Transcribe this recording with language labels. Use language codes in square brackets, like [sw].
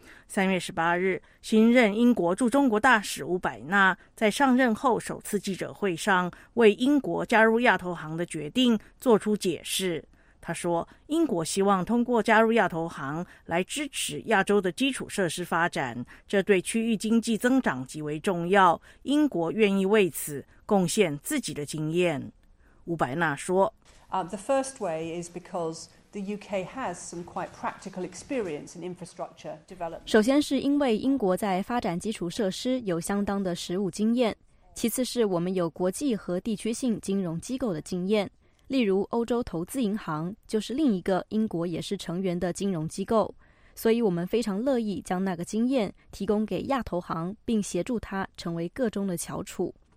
[zh] 3月18日，新任英国驻中国大使伍百纳在上任后首次记者会上为英国加入亚投行的决定做出解释。他说，英国希望通过加入亚投行来支持亚洲的基础设施发展，这对区域经济增长极为重要，英国愿意为此贡献自己的经验。伍百纳说， [en] The first way is because the UK has some quite practical experience in infrastructure development. [zh] 首先是因为英国在发展基础设施有相当的实务经验，其次是我们有国际和地区性金融机构的经验，例如欧洲投资银行就是另一个英国也是成员的金融机构，所以我们非常乐意将那个经验提供给亚投行，并协助它成为各中的翘楚。